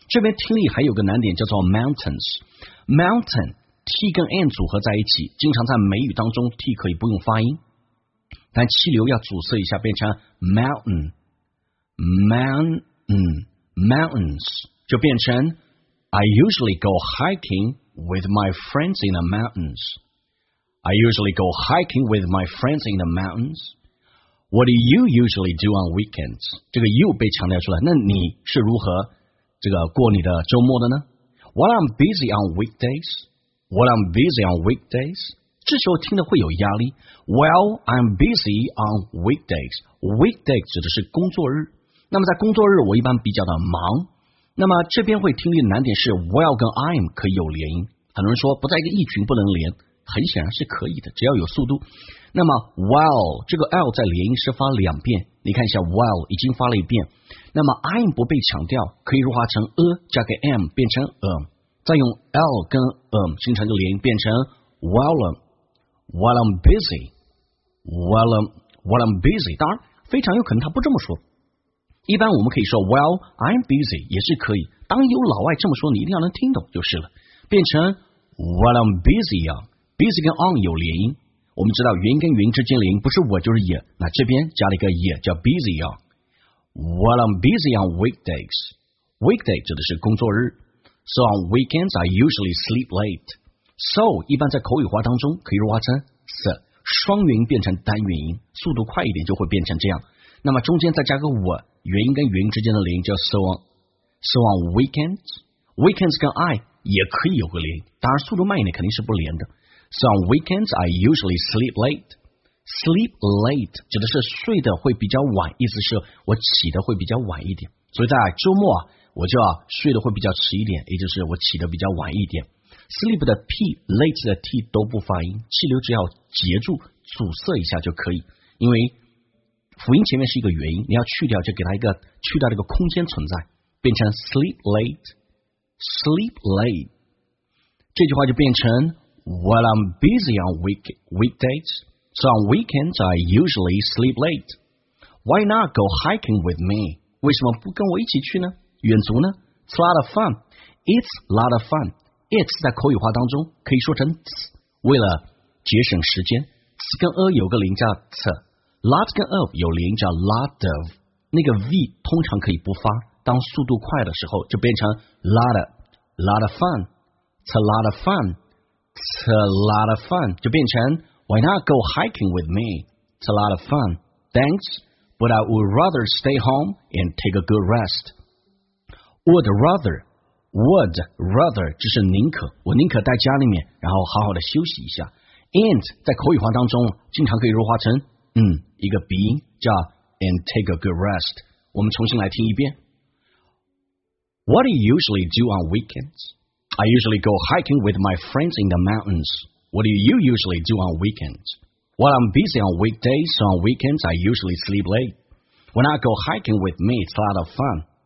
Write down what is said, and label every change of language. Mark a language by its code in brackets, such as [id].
[zh] 这边听力还有个难点叫做 mountains， mountain t 跟 n 组合在一起，经常在美语当中 t 可以不用发音，但气流要阻塞一下变成 mountains， 就变成 [en] I usually go hikingWith my friends in the mountains. I usually go hiking with my friends in the mountains. What do you usually do on weekends? [zh] 这个 you 被强调出来，那你是如何这个过你的周末的呢？ [en] What I'm busy on weekdays? What I'm busy on weekdays? [zh] 这时候听的会有压力。 [en] Well, I'm busy on weekdays. [zh] Weekday 指的是工作日。那么在工作日我一般比较的忙。那么这边会听力的难点是 well 跟 I'm 可以有连音，很多人说不在一个意群不能连，很显然是可以的，只要有速度。那么 well 这个 L 在连音是发两遍，你看一下 well 已经发了一遍，那么 I'm 不被强调可以弱化成 a 加个 m 变成 再用 L 跟 形成个连音变成 [en] while I'm busy [zh] 当然非常有可能他不这么说，一般我们可以说 [en] Well, I'm busy [zh] 也是可以，当有老外这么说你一定要能听懂就是了，变成 [en] What I'm busy on， [zh] busy 跟 on 有连音，我们知道云跟云之间连音不是我就是也，那这边加了一个也叫 busy on。 [en] What I'm busy on weekdays， weekday [zh] 指的是工作日。 [en] So on weekends I usually sleep late， [zh] so 一般在口语化当中可以弱化成 so， 双元音变成单元音，速度快一点就会变成这样，那么中间再加个 我，元音跟元音之间的连音叫 so on weekends， weekends 跟 I 也可以有个连音，当然速度慢一点肯定是不连的。 [en] So on weekends I usually sleep late， [zh] sleep late 指的是睡得会比较晚，意思是我起得会比较晚一点，所以在周末啊，我就睡得会比较迟一点，也就是我起得比较晚一点。 sleep 的 P late 的 T 都不发音，气流只要截住阻塞一下就可以，因为辅音前面是一个元音，你要去掉就给它一个去掉这个空间存在，变成 sleep late sleep late， 这句话就变成 [en] while I'm busy on weekdays So on weekends, I usually sleep late. Why not go hiking with me? [zh] 为什么不跟我一起去呢？远足呢？ [en] It's a lot of fun. It's a lot of fun. [zh] It's 在口语化当中可以说成 ts。为了节省时间，ts 跟 a 有个连叫 ts。 Lot 跟 of 有连叫 lot of。那个 v 通常可以不发，当速度快的时候就变成 lot of。 [en] Lot of fun. It's a lot of fun. It's a lot of fun. [zh] 就变成 [en] Why not go hiking with me? It's a lot of fun. Thanks, but I would rather stay home and take a good rest. Would rather [zh] 就是宁可，我宁可在家里面然后好好的休息一下。 And 在口语化当中经常可以弱化成一个鼻音叫 [en] And take a good rest. [zh] 我们重新来听一遍。 [en] What do you usually do on weekends? I usually go hiking with my friends in the mountains. What do you usually do on weekends? Well, I'm busy on weekdays, so on weekends I usually sleep late. When I go hiking with me, it's a lot of fun.